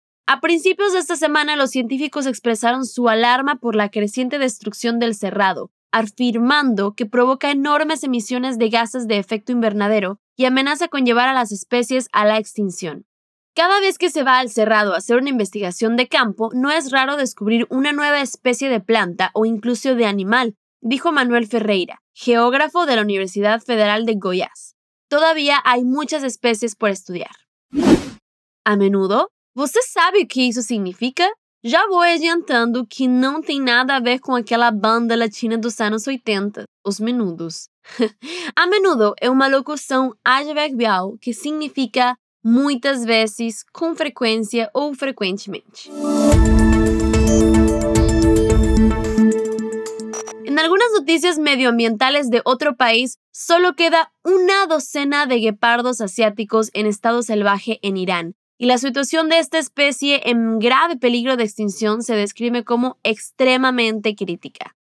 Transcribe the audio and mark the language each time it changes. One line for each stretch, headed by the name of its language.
Spanish: A principios de esta semana, los científicos expresaron su alarma por la creciente destrucción del Cerrado, afirmando que provoca enormes emisiones de gases de efecto invernadero y amenaza con llevar a las especies a la extinción. Cada vez que se va al cerrado a hacer una investigación de campo, no es raro descubrir una nueva especie de planta o incluso de animal, dijo Manuel Ferreira, geógrafo de la Universidad Federal de Goiás. Todavía hay muchas especies por estudiar.
Portuguese: A menudo, ¿você sabe o que isso significa? Já vou adiantando que não tem nada a ver com aquela banda latina dos anos 80, os menudos. A menudo é uma locução adverbial que significa muitas vezes, com frequência ou frequentemente.
Spanish: En algunas noticias medioambientales de otro país, solo queda una docena de guepardos asiáticos en estado salvaje en Irán. Y la situación de esta especie en grave peligro de extinción se describe como extremadamente crítica.